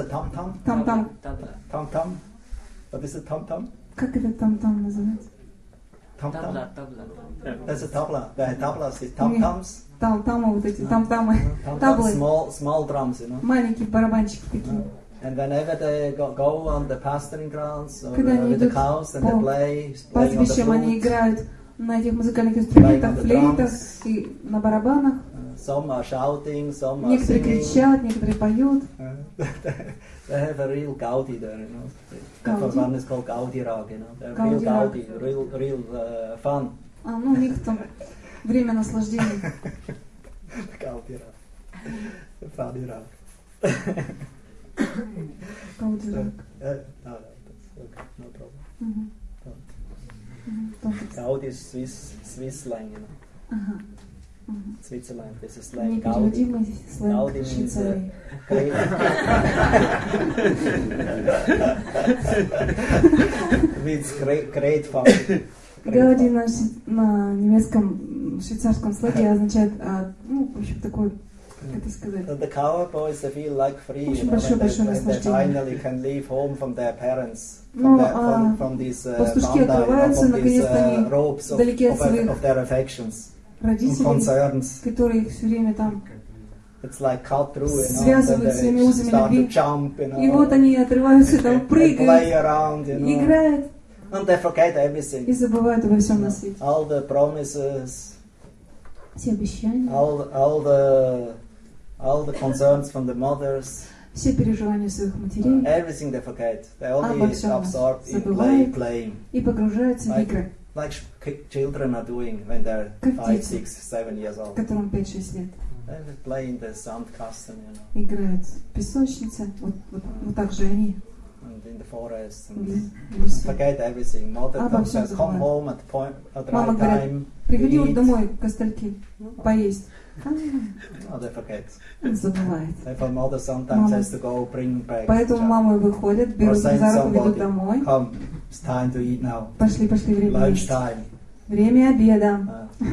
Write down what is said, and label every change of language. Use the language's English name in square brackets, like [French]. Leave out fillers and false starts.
[Russian] Там-там. Там-там. [English] What is a tam-tam? [Russian] Как это tam-tam называется? [English] Tam-tam. That's a tabla. The tablas is tam-tams. [Russian] Tam-tamы вот эти, tam-tamы. [English] Tablas. Small drums, you know. [Russian] Маленькие барабанчики такие. [English] And whenever they go on the pasturing grounds or with the cows and they play, [Russian] пастбищам они играют на этих музыкальных инструментах, флейтах и на барабанах. [English] Some are shouting, some are singing. [Russian] Некоторые кричат, некоторые поют. [English] They have a real Gaudi there, you know. Gaudi. One is called Gaudi Rag, you know. They're real Gaudi, real fun. [Russian] А, ну, у них там время наслаждения. [English] Gaudi Rag. Funny Rag. Gaudi Rag. That's okay, no problem. Gaudi is Swiss slang, you know. Switzerland, this is like Gaudi. Gaudi means great fun. [Russian] Gaudi на немецком, швейцарском слоге означает, ну, в общем, такой, как это сказать? [English] The cowherd boys, they feel like free, you know, they finally can leave home from their parents. [Russian] Пастушки открываются, наконец-то они вдалеке от своих родителей, которые их все время там [English] like through, you know, [Russian] связывают своими узами любви. [English] Jump, you know, [Russian] и вот они отрываются, там прыгают, [English] around, you know, [Russian] играют. [English] And they forget everything. [Russian] И забывают обо всем на свете. [English] All the promises, [Russian] все обещания. [English] All the concerns from the mothers. [Russian] Все переживания своих матерей. [English] Everything they forget. They only absorb in playing. [Russian] И погружаются в игры. [English] Like children are doing when they're 5, 6, 7 years old. [Russian] Которым 5-6 лет. [English] They're playing the sand castle, you know. [Russian] Играют в песочнице, вот так же они. [English] And in the forest. And forget everything. Mother comes home at the point at the right [Russian] говорит, [English] time. [Russian] Приходи вот домой, костыльки, поесть. [English] No, they forget. [Russian] Забывает. [English] Therefore, mother sometimes has to go bring back. [Russian] Поэтому мамы выходят, берут за руку, ведут домой. [English] Come. It's time to eat now. [Russian] Пошли, время есть. [English] Time. [Russian] Время обеда.